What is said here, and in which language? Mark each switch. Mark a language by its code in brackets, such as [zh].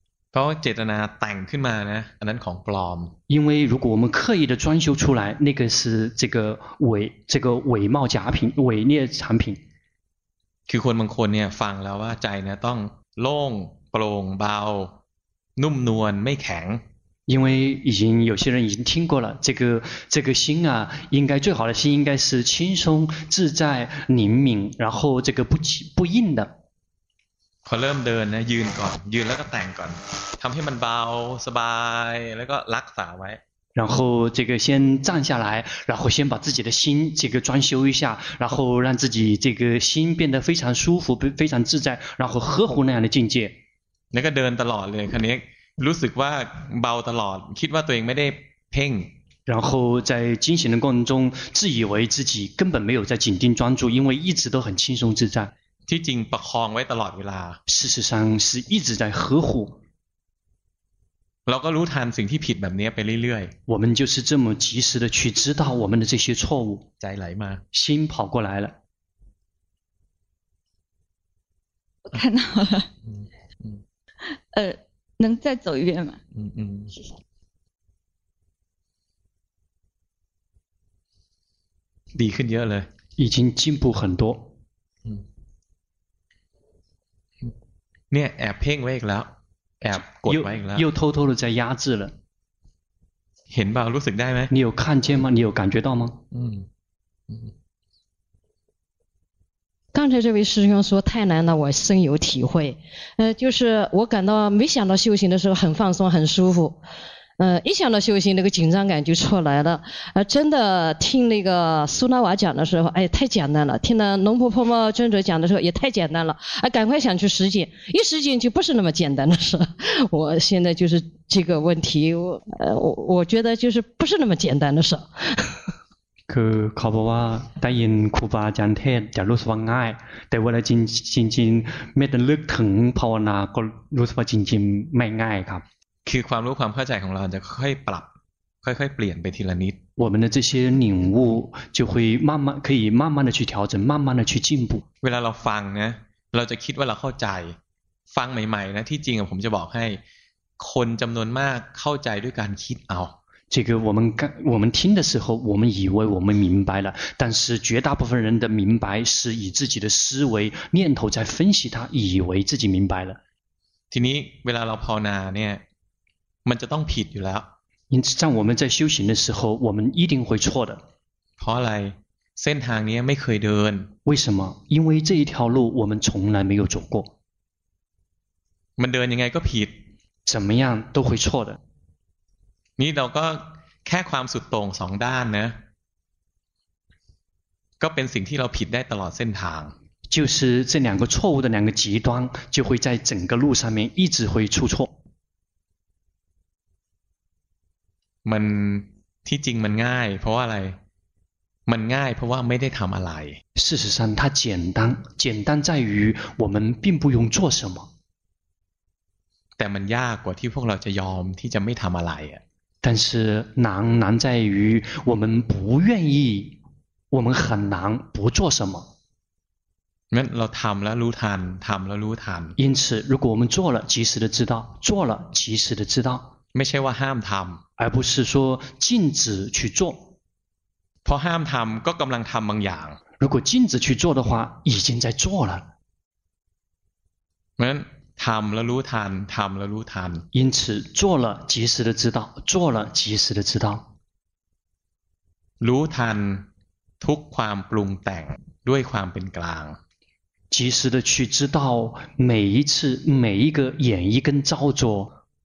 [th] เพราะเจตนาแต่งขึ้นมานะอันนั้นของปลอม [zh] 因为如果我们刻意的装修出来那个是这个伪冒假品伪劣产品 [th] คือคนบางคนเนี่ยฟังแล้วว่าใจเนี่ยต้องโล่งโปร่งเบา นุ่มนวลไม่แข็ง [zh] 因为已经有些人已经听过了这个心啊应该最好的心应该是轻松自在宁敏然后这个不硬的 [th] พอเริ่มเดินนะยืนก่อนยืนแล้วก็แต่งก่อนทำให้มันเบาสบายแล้วก็รักษาไว้ [zh] 然后这个先站下来然后先把自己的心这个装修一下然后让自己这个心变得非常舒服非常自在然后呵护那样的境界 [th] แล้วก็เดินตลอดเลยคันนี้รู้สึกว่าเบาตลอดคิดว่าตัวเองไม่ได้เพ่ง [zh] 然后在进行的过程中自以为自己根本没有在紧盯专注因为一直都很轻松自在 [th] ที่จริงประคองไว้ตลอดเวลา [zh] 事实上是一直在呵护 [th] เราก็รู้ทันสิ่งที่ผิดแบบนี้ไปเรื่อย [zh] ๆ我们就是这么及时的去知道我们的这些错误 [th] ใจไหลมา [zh] 心跑过来了我看到了能再走一遍吗？谢谢。厉害了，已经进步很多。 [th] เนี่ยแอบเพ่งไว้อีกแล้วแอบกดไว้อีกแล้ว [zh] 又偷偷的在压制了 [th] เห็นเปล่ารู้สึกได้ไหม [zh] 你有看见吗你有感觉到吗刚才这位师兄说太难了我深有体会就是我感到没想到修行的时候很放松很舒服一想到修行那个紧张感就出来了真的听那个苏拉瓦讲的时候哎太简单了听了龙婆婆妈尊者讲的时候也太简单了赶快想去实践一实践就不是那么简单的事我现在就是这个问题我觉得就是不是那么简单的事 [th] คือเขาบอกว่าได้ยินครูบาอาจารย์เทศจะรู้สึกว่าง่ายแต่เวลาจริงๆไม่ต้องลึกถึงภาวนาก็รู้สึกว่าจริงๆไม่ง่ายครับ คือความรู้ความเข้าใจของเราจะค่อยปรับค่อยๆเปลี่ยนไปทีละนิด [zh] 我们的这些领悟就会慢慢可以慢慢的去调整慢慢的去进步 [th] เวลาเราฟังนะเราจะคิดว่าเราเข้าใจฟังใหม่ๆนะที่จริงผมจะบอกให้คนจำนวนมากเข้าใจด้วยการคิดเอา [zh] 这个我们听的时候我们以为我们明白了但是绝大部分人的明白是以自己的思维念头在分析它以为自己明白了 [th] ทีนี้เวลาเราภาวนาเนี่ยมันจะต้องผิดอยู่แล้ว [zh] 因此在我们在修行的时候我们一定会错的 [th] เพราะอะไรเส้นทางนี้ไม่เคยเดิน [zh] 为什么因为这一条路我们从来没有走过 [th] มันเดินยังไงก็ผิด [zh] 怎么样都会错的 [th] นี่เราก็แค่ความสุดโต่งสองด้านนะก็เป็นสิ่งที่เราผิดได้ตลอดเส้นทาง [zh] 就是这两个错误的两个极端就会在整个路上面一直会出错 [th] มันที่จริงมันง่ายเพราะว่าอะไรมันง่ายเพราะว่าไม่ได้ทำอะไร [zh] 事实上它简单在于我们并不用做什么 [th] แต่มันยากกว่าที่พวกเราจะยอมที่จะไม่ทำอะไรอ่ะ [zh] 但是难在于我们不愿意我们很难不做什么 [th] นั้นเราทำแล้วรู้ทันทำแล้วรู้ทัน [zh] 因此如果我们做了及时的知道做了及时的知道 [th] ไม่ใช่ว่าห้ามทำ [zh] 而不是说禁止去做 [th] เพราะห้ามทำก็กำลังทำบางอย่าง [zh] 如果禁止去做的话已经在做了 [th] นั้นทำแล้วรู้ทันทำแล้วรู้ทัน [zh] 因此做了及时的知道做了及时的知道 [th] รู้ทันทุกความปรุงแต่งด้วยความเป็นกลาง [zh] 及时的去知道每一次每一个演绎跟造作